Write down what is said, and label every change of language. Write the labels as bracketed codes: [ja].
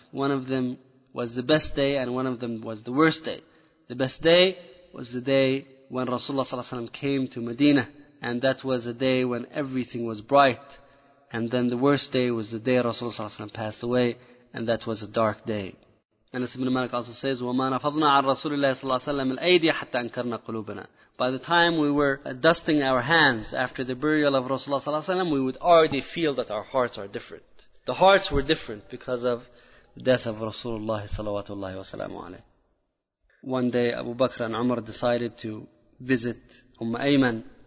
[en] One of them was the best day and one of them was the worst day. The best day was the day when Rasulullah sallallahu alaihi wasallam came to Medina, and that was a day when everything was bright. And then the worst day was the day Rasulullah sallallahu alaihi wasallam passed away, and that was a dark day. And Anas ibn Malik also says, [ar] وَمَا نَفَضْنَا عَنْ رَسُولِ اللَّهِ صَلَّى اللَّهُ عَلَيْهِ وَسَلَّمَ الْأَيْدِيَ حَتَّى أَنْكَرْنَا قُلُوبَنَا. [en] By the time we were dusting our hands after the burial of Rasulullah sallallahu alaihi wasallam, we would already feel that our hearts are different. The hearts were different because of the death of Rasulullah sallallahu alaihi wasallam. One day Abu Bakr and Umar decided to visit Umm Ayman.